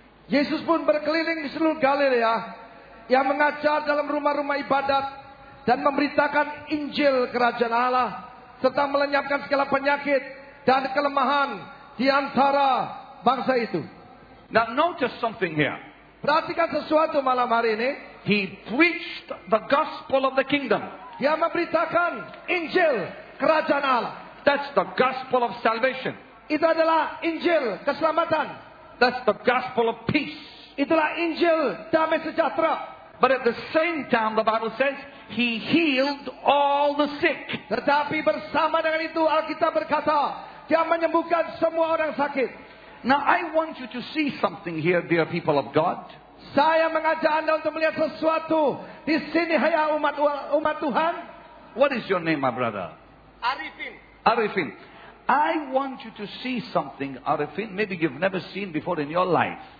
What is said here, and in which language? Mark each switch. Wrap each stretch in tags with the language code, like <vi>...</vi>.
<id>Yesus pun berkeliling di seluruh Galilea yang mengajar dalam rumah-rumah ibadat dan memberitakan Injil kerajaan Allah serta melenyapkan segala penyakit dan kelemahan di antara bangsa itu.</id> <en>Now notice something here.</en> <id>Perhatikan sesuatu malam hari ini.</id> <en>He preached the gospel of the kingdom.</en> <id>Dia memberitakan Injil kerajaan Allah.</id> <en>That's the gospel of salvation.</en> <id>Itu adalah Injil keselamatan.</id> <en>That's the gospel of peace.</en> <id>Itulah Injil damai sejahtera.</id> <en>But at the same time, the Bible says he healed all the sick.</en> <id>Tetapi bersama dengan itu Alkitab berkata dia menyembuhkan semua orang sakit.</id> <en>Now I want you to see something here, dear people of God.</en> <id>Saya mengajak anda untuk melihat sesuatu di sini, hai umat Tuhan.</id> <en>What is your name, my brother? Arifin. Arifin, I want you to see something, Arifin. Maybe you've never seen before in your life.</en>